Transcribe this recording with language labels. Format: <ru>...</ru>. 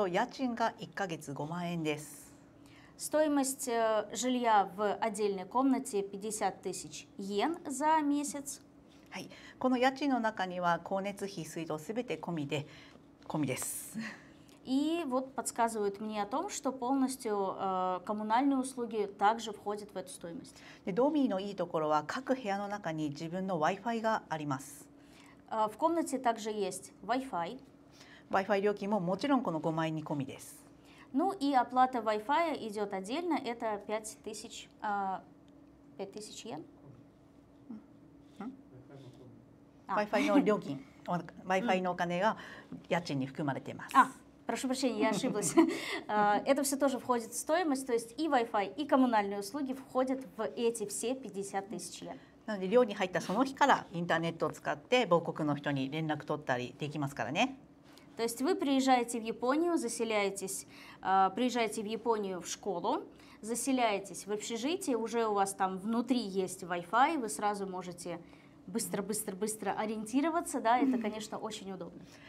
<ja>まず簡単に言うと、家賃が1ヶ月5万円です。</ja> <ru>Стоимость жилья в отдельной комнате 50 тысяч йен за месяц.</ru> <ja>この家賃の中には光熱費水道すべて込みです。</ja> <ru>И вот подсказывают мне о том, что полностью коммунальные услуги также входят в эту стоимость.</ru> <ja>ドーミーのいいところは各部屋の中に自分のWi-Fiがあります。</ja> <ru>В комнате также есть Wi-Fi.</ru> <ja>Wi-Fi料金ももちろんこの5万円に込みです。</ja> <ru>Ну и оплата Wi-Fi идет отдельно, это 5000 йен.</ru> <ja>Wi-Fi料金, Wi-Fi のお金が家賃に含まれています。</ja> <ru>Прошу прощения, я ошиблась. Это все тоже входит в стоимость, то есть и Wi-Fi, и коммунальные услуги входят в эти все 50 тысяч йен.</ru> <ja>なので寮に入ったその日からインターネットを使って母国の人に連絡取ったりできますからね。</ja> <ru>То есть вы приезжаете в Японию, заселяетесь, приезжаете в Японию в школу, заселяетесь в общежитие, уже у вас там внутри есть Wi-Fi, вы сразу можете быстро ориентироваться, да, это, конечно, очень удобно.</ru>